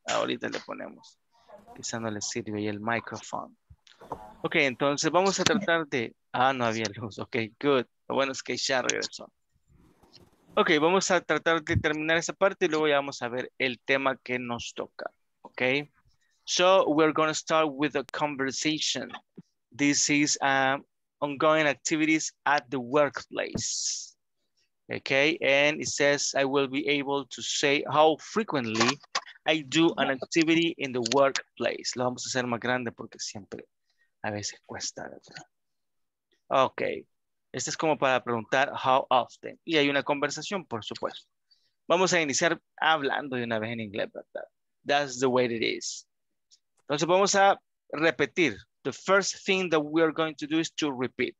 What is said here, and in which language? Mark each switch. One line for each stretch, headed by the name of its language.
Spanish: Ahorita le ponemos. Quizá no le sirve y el micrófono. Ok, entonces vamos a tratar de... Ah, no había luz.
English: Ok, good.
Spanish: Lo bueno es que ya regresó. Ok, vamos a tratar de terminar esa parte y luego ya vamos a ver el tema que nos toca. Ok.
English: So, we're going to start with a conversation. This is ongoing activities at the workplace. Okay, and it says, I will be able to say how frequently I do an activity in the workplace.
Spanish: Lo vamos a hacer más grande porque siempre, a veces cuesta, ¿verdad? Okay, este es como para preguntar
English: how often.
Spanish: Y hay una conversación, por supuesto. Vamos a iniciar hablando de una vez en inglés, ¿verdad?
English: That's the way it is.
Spanish: Entonces vamos a repetir.
English: The first thing that we are going to do is to repeat.